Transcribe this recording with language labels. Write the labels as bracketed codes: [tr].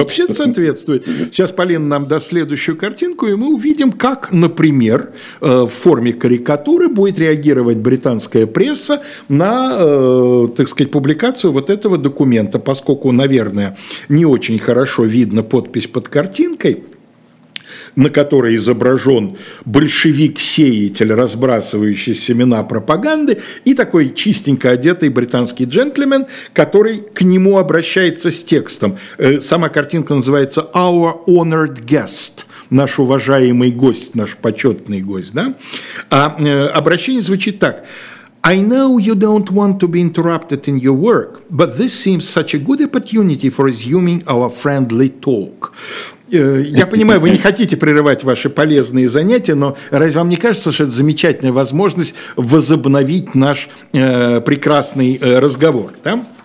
[ru] Вообще-то соответствует. Сейчас Полина нам даст следующую картинку, и мы увидим, как, например, в форме карикатуры будет реагировать британская пресса на, так сказать, публикацию вот этого документа, поскольку, наверное, не очень хорошо видно подпись под картинкой, на которой изображен большевик-сеятель, разбрасывающий семена пропаганды, и такой чистенько одетый британский джентльмен, который к нему обращается с текстом. Сама картинка называется [en] «Our Honored Guest», [ru] «Наш уважаемый гость», «Наш почетный гость». Да? А обращение звучит так. [en] I know you don't want to be interrupted in your work, but this seems such a good opportunity for resuming our friendly talk. [ru] Я понимаю, вы не хотите прерывать ваши полезные занятия, но разве вам не кажется, что это замечательная возможность возобновить наш прекрасный разговор? Да?